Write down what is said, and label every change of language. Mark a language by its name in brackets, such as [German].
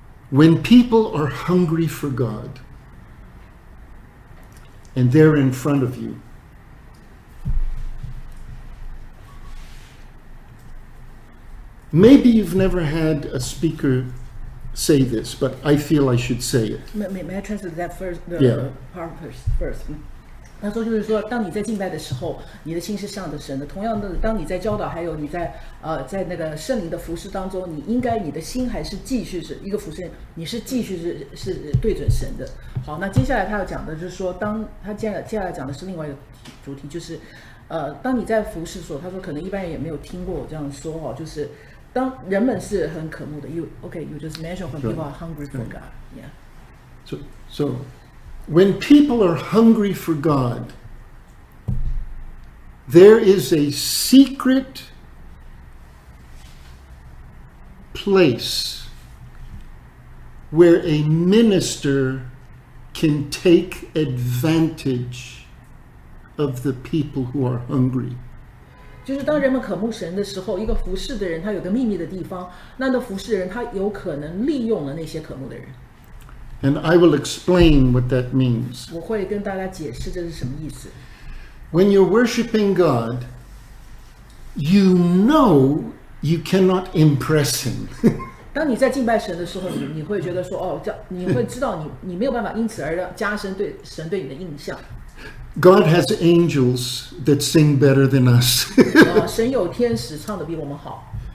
[English] when people are hungry for God, and they're in front of you, maybe you've never had a speaker say this, but I feel I should say it. May I translate that first part first? [Chinese] 那说就是说，当你在敬拜的时候，你的心是向着神的。同样的，当你在教导，还有你在在那个圣灵的服事当中，你应该你的心还是继续是一个服事，你是继续是对准神的。好，那接下来他要讲的就是说，当他接下来讲的是另外一个主题，就是当你在服事的时候，他说可能一般人也没有听过我这样说哦，就是当人们是很渴慕的 ， [English] you just mentioned when people are hungry for God, yeah. So. When people are hungry for God, there is a secret place where a minister can take advantage of the people who are hungry. [Chinese] 就是当人们渴慕神的时候，一个服事的人他有个秘密的地方，那个服事的人他有可能利用了那些渴慕的人。 [English] And I will explain what that means. [Chinese] 我会跟大家解释这是什么意思。 [English] When you're worshiping God, you know you cannot impress Him. [Chinese] 当你在敬拜神的时候，你会觉得说，哦，你会知道你没有办法因此而加深对神对你的印象。 [English] God has angels that sing better than us. [Chinese] 神有天使唱得比我们好。